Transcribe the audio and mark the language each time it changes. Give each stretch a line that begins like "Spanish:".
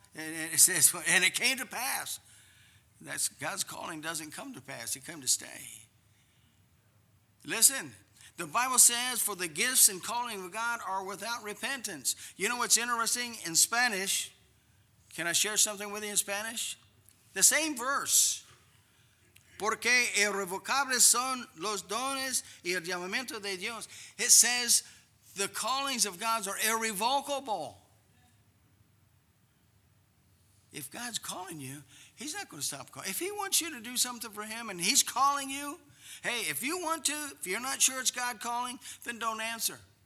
English: And it says, and it came to pass. That's God's calling doesn't come to pass. It came to stay. Listen, the Bible says, for the gifts and calling of God are without repentance. You know what's interesting in Spanish? Can I share something with you in Spanish? The same verse.
Spanish: Porque irrevocables son los dones y el llamamiento de Dios.
English: It says the callings of God are irrevocable. If God's calling you, he's not going to stop calling. If he wants you to do something for him and he's calling you, hey, if you want to, if you're not sure it's God calling, then don't answer.